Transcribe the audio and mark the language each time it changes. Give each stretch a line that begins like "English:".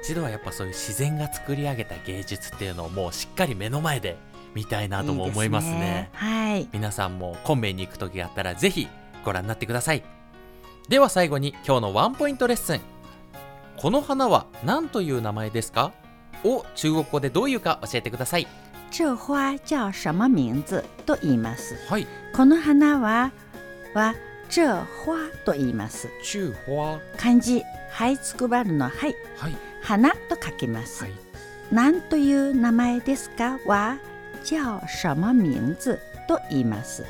Japanese: 一度はやっぱそういう自然が作り上げた芸術っていうのをもうしっかり目の前で見たいなとも思いますね。いいですね、はい、皆さんも昆明に行くときがあったらぜひご覧になってください。では最後に今日のワンポイントレッスン、この花は何という名前ですか？を中国語でどういうか教えてください。
Chinese: 这花叫什么名字
Japanese: と言います、はい、この花は
Chinese: 这花
Japanese: と言います。
Chinese: 中花、
Japanese: 漢字灰つくばるの灰、はい、花と書きます、はい、何という名前ですかは
Chinese: 叫什么名字
Japanese: と言います、